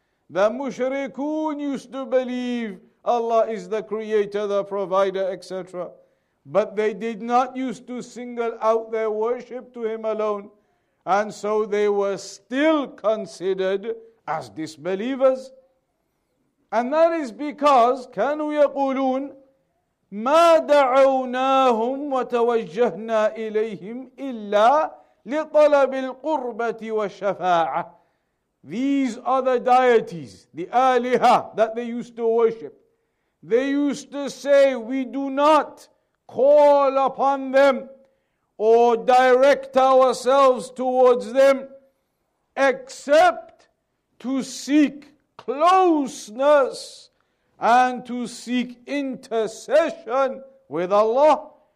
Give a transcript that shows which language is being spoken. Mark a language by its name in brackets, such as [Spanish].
[English] The mushrikun used to believe Allah is the creator, the provider, etc. But they did not used to single out their worship to him alone. And so they were still considered as disbelievers. And that is because [Arabic] كانوا يقولون ما دعوناهم وتوجهنا إليهم إلا لطلب القربة والشفاعة. [English] These are the deities, the Aliha, that they used to worship. They used to say, we do not call upon them or direct ourselves towards them except to seek closeness and to seek intercession with Allah.